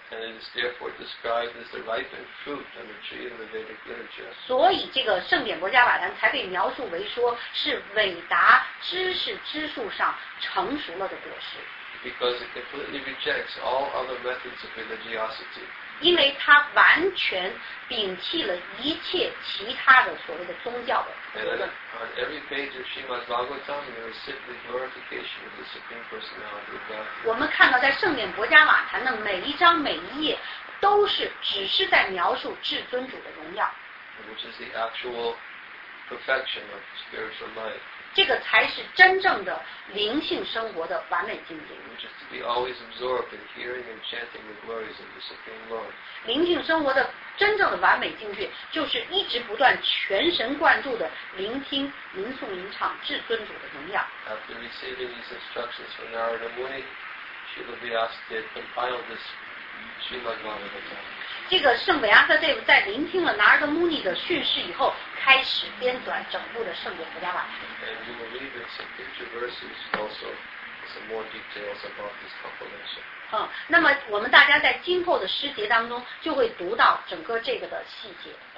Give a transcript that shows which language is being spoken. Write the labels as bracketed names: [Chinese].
[English] And it is therefore described as the ripened fruit on the tree of the Vedic literature. [Chinese] 所以这个圣典博伽瓦坛才被描述为说是伟大知识之树上成熟了的果实。 [English] Because it completely rejects all other methods of religiosity. [Chinese] 因为它完全摒弃了一切其他的所谓的宗教的。 [English] On every page of Srimad Bhagavatam, there is simply glorification of the Supreme Personality of God. [Chinese] 我们看到在圣典博伽瓦坛的每一章每一页，都是只是在描述至尊主的荣耀。 [English] Which is the actual perfection of spiritual life. [Chinese] 这个才是真正的灵性生活的完美境界。 [English] Which is to be always absorbed in hearing and chanting the glories of the Supreme Lord. [Chinese] 灵性生活的真正的完美境界，就是一直不断全神贯注的聆听、吟诵、吟唱至尊主的荣耀。 [English] After receiving these instructions from Narada Muni, Srila Vyasadeva compiled this Srimad Bhagavatam. [Chinese] 这个圣维阿克德夫在聆听了 Narada Muni 的训示以后。开始编纂整部的圣典博伽瓦坛。 [English] And you will read in some future verses also some more details about this compilation. [Chinese] 那么我们大家在今后的诗节当中就会读到整个这个的细节。